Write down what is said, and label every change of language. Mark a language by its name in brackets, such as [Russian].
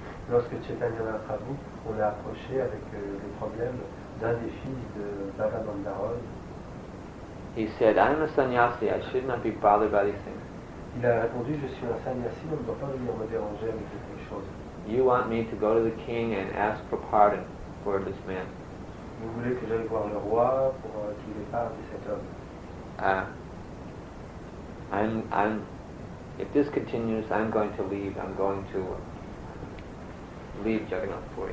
[French] Lorsque Chaitanya Mahaprabhu, on l'a approché avec les problèmes d'un des fils de Bhavananda Roy. [English] He said, I am a sannyasi, I should not be bothered by these things. [French] Il a répondu, je suis un sannyasi, on ne doit pas venir me déranger avec quelque chose. [English] You want me to go to the king and ask for pardon for this man. [French] Vous voulez que j'aille voir le roi pour qu'il ait pardon de cet homme. [English] If this continues, I'm going to leave, I'm going to leave Jagannath Puri.